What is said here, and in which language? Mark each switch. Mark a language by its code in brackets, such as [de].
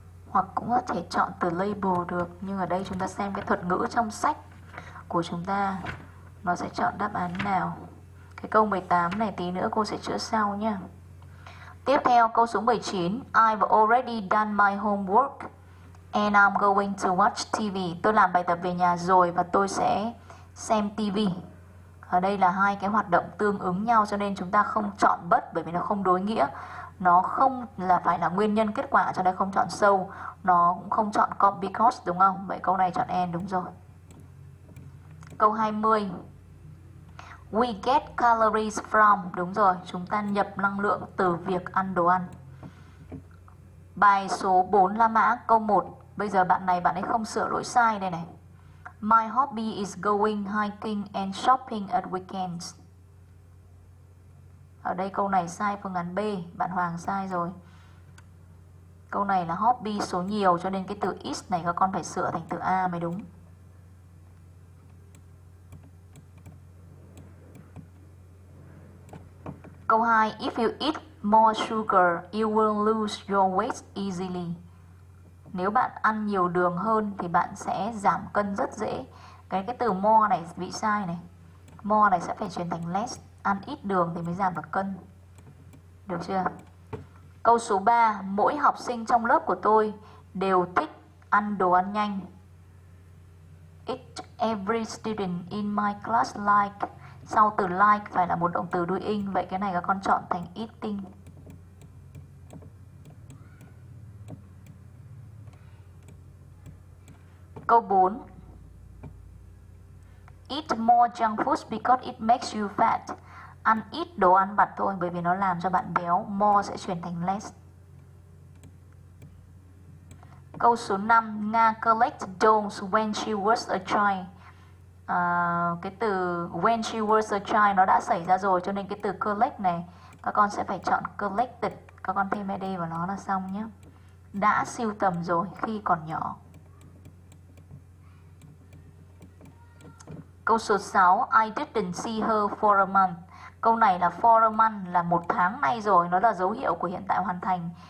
[vi] Hoặc cũng có thể chọn từ label được, nhưng ở đây chúng ta xem cái thuật ngữ trong sách của chúng ta nó sẽ chọn đáp án nào. Cái câu 18 này tí nữa cô sẽ chữa sau nha. Tiếp theo câu số 19, [en] I've already done my homework and I'm going to watch TV. [vi] Tôi làm bài tập về nhà rồi và tôi sẽ xem TV. Ở đây là hai cái hoạt động tương ứng nhau cho nên chúng ta không chọn bất, bởi vì nó không đối nghĩa. Nó không là phải là nguyên nhân kết quả cho nên không chọn sâu. Nó cũng không chọn có because đúng không? Vậy câu này chọn and đúng rồi. Câu 20. [en] We get calories from, [vi] đúng rồi, chúng ta nhập năng lượng từ việc ăn đồ ăn. Bài số 4 La Mã câu 1. Bây giờ bạn này bạn ấy không sửa lỗi sai đây này. [en] My hobby is going hiking and shopping at weekends. [vi] Ở đây câu này sai phương án B, bạn Hoàng sai rồi. Câu này là hobby số nhiều cho nên cái từ is này các con phải sửa thành từ A mới đúng. Câu 2, [en] if you eat more sugar, you will lose your weight easily. [vi] Nếu bạn ăn nhiều đường hơn thì bạn sẽ giảm cân rất dễ. Cái từ more này bị sai này. More này sẽ phải chuyển thành less. Ăn ít đường thì mới giảm được cân. Được chưa? Câu số 3, mỗi học sinh trong lớp của tôi đều thích ăn đồ ăn nhanh. [en] Each every student in my class like. [vi] Sau từ like phải là một động từ đuôi ing, vậy cái này các con chọn thành eating. Câu 4. [en] Eat more junk food because it makes you fat. [vi] Ăn ít đồ ăn vặt thôi bởi vì nó làm cho bạn béo, more sẽ chuyển thành less. Câu số 5, [en] Nga collect dolls when she was a child. [vi] Cái từ when she was a child nó đã xảy ra rồi cho nên cái từ collect này các con sẽ phải chọn collected, các con thêm ed vào nó là xong nhé. Đã sưu tầm rồi khi còn nhỏ. Câu số 6, [en] I didn't see her for a month. [vi] Câu này là for a month là một tháng nay rồi, nó là dấu hiệu của hiện tại hoàn thành.